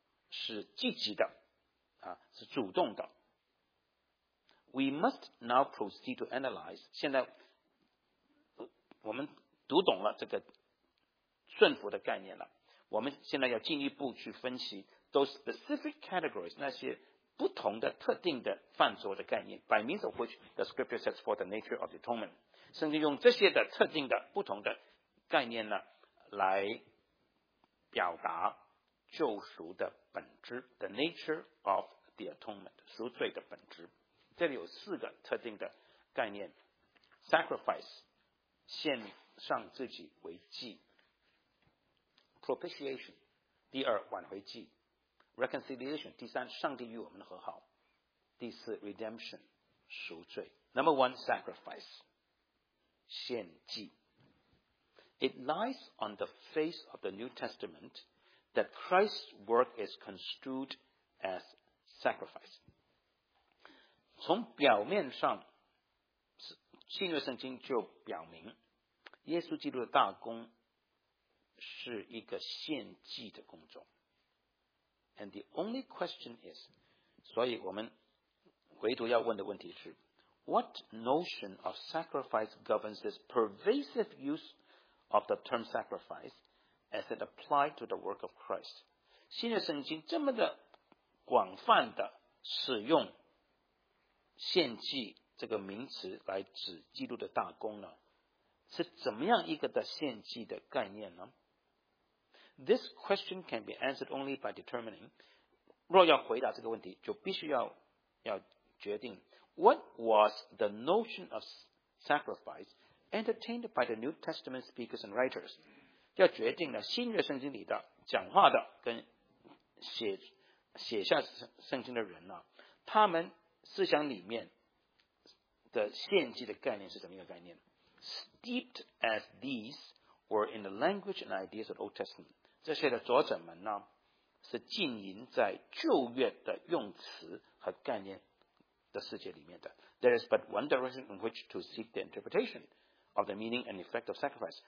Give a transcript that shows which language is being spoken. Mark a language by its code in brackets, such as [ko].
[zh] 而且建立一个原则就是从头开始呢,基督成就救赎呢,是积极的,是主动的。 [en] We must now proceed to analyze. [zh] 现在我们读懂了这个顺服的概念了。我们现在要进一步去分析 [en] those specific categories, [zh] 那些不同的特定的范畴的概念, [en] by means of which the scripture sets forth the nature of the atonement. [zh] 甚至用这些的特定的不同的概念呢, 来表达救赎的本质 [en] The nature of the atonement [zh] 赎罪的本质这里有四个特定的概念 Sacrifice 献上自己为祭 [en] Propitiation 第二挽回祭 Reconciliation [zh] 第三上帝与我们和好第四 [en] Redemption 赎罪 Number one Sacrifice 献祭It lies on the face of the New Testament that Christ's work is construed as sacrifice. [zh] 从表面上，新约圣经就表明，耶稣基督的大功是一个献祭的工作。 [en] And the only question is, [zh] 所以我们唯独要问的问题是 [en] ，What notion of sacrifice governs this pervasive use? Of the term sacrifice as it applied to the work of Christ. [zh] 新约圣经这么的广泛的使用献祭这个名词来指基督的大功呢是怎么样一个的献祭的概念呢 [en] This question can be answered only by determining [zh] 若要回答这个问题就必须 要决定 [en] What was the notion of sacrifice? Entertained by the New Testament speakers and writers, [zh] 要决定了新约圣经里的讲话的跟写下圣经的人呢、啊，他们思想里面的献祭的概念是怎么一个概念 ？ [en] Steeped as these were in the language and ideas of Old Testament, [zh] 这些的作者们呢，是浸淫在旧约的用词和概念的世界里面的。 [en] There is but one direction in which to seek the interpretation. Of the meaning and effect of sacrifice.